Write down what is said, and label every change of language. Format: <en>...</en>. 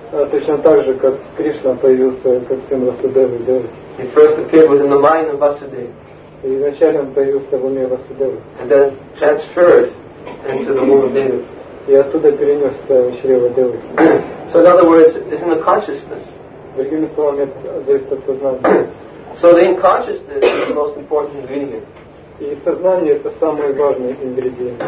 <ru>Точно так же, как Кришна появился как сын Васудевы и Девики.</ru> <en>He first appeared within the mind of Vasudeva.</en> <ru>И вначале он появился в уме Васудевы.</ru> <en>And then transferred into the womb of Devaki.</en> <ru>И оттуда перенесся в чрево Девики.</ru> <en>So in other words, it's in the consciousness.</en> <ru>Другими словами, это зависит от сознания.</ru> <en>So the consciousness is the most important ingredient.</en> <ru>И сознание это самый важный ингредиент.</ru>